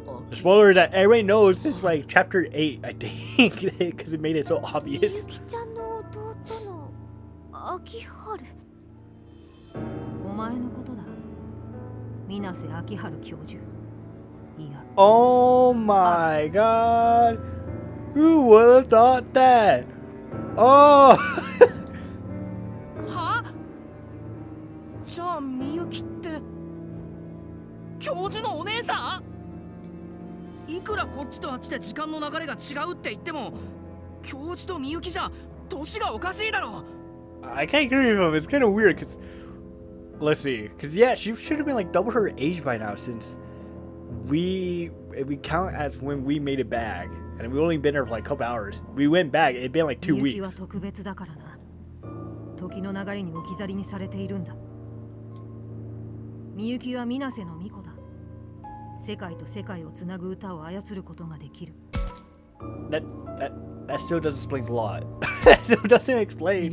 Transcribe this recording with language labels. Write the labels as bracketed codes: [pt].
[en] The spoiler that everybody knows is like chapter 8, I think, because it made it so obvious. [ja] ミユキちゃんの弟のアキハル。お前のことだ。ミナセアキハル教授。 [en] Oh my god! Who would have thought that? Oh! Huh? So, Miyuki is... the professor's sister? As much as this and that, the time flow is different, but the professor and Miyuki are strange. I can't agree with him. It's kind of weird, because... Let's see. Because, yeah, she should have been like double her age by now, since... We count as when we made it back, and we only been there for like a couple hours. We went back, it'd been like 2 weeks. [ja] Miyuki は特別だからな。時の流れに置き去りにされているんだ。Miyuki はミナセの巫女だ。世界と世界をつなぐ歌を操ることができる。 [en] That That still doesn't explain a lot. That still doesn't explain.